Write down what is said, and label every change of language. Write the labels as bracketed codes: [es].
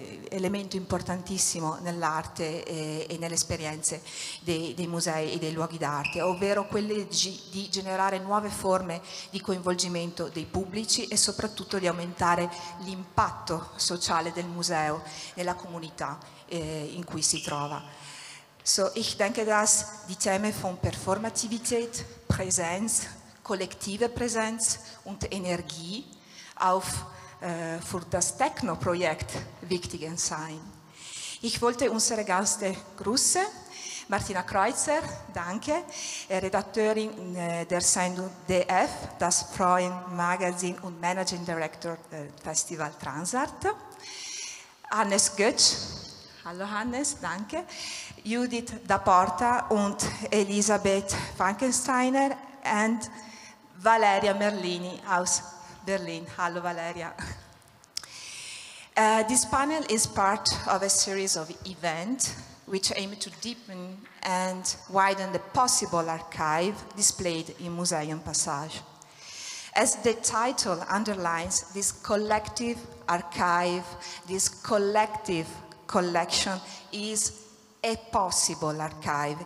[it] elemento importantissimo nell'arte e nelle esperienze dei musei e dei luoghi d'arte, ovvero quelle di generare nuove forme di coinvolgimento dei pubblici e soprattutto di aumentare l'impatto sociale del museo nella comunità in cui si trova. [de] So, ich denke, dass die Themen von Performativität, Präsenz, kollektive Präsenz und Energie auch für das Techno-Projekt wichtig sein. Ich wollte unsere Gäste grüßen. Martina Kreuzer, danke, Redakteurin der Sendung DF, das Freund Magazin und Managing Director Festival Transart. Hannes Götz, hallo Hannes, danke. Judith Daporta und Elisabeth Frankensteiner und Valeria Merlini aus Berlin. Hallo Valeria. [en] This panel is part of a series of events which aim to deepen and widen the possible archive displayed in Museum Passage. As the title underlines, this collective archive, this collective collection is a possible archive.